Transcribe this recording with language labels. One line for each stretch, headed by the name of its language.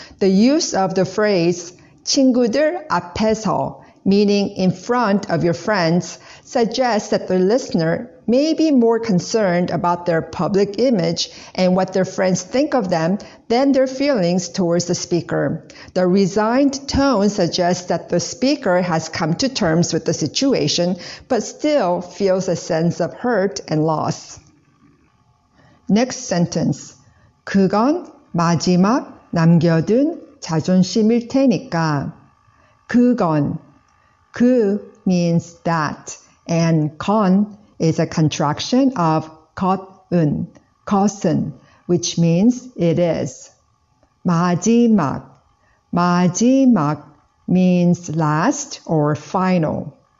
English: The use of the phrase
Korean: 친구들 앞에서,
English: meaning in front of your friends, suggests that the listener may be more concerned about their public image and what their friends think of them than their feelings towards the speaker. The resigned tone suggests that the speaker has come to terms with the situation, but still feels a sense of hurt and loss. Next sentence.
Korean: 그건 마지막 남겨둔 자존심일 테니까. 그건.
English: 그 means that, and 건 is a contraction of 것은, 것은, which means it is. 마지막, 마지막 means last or final.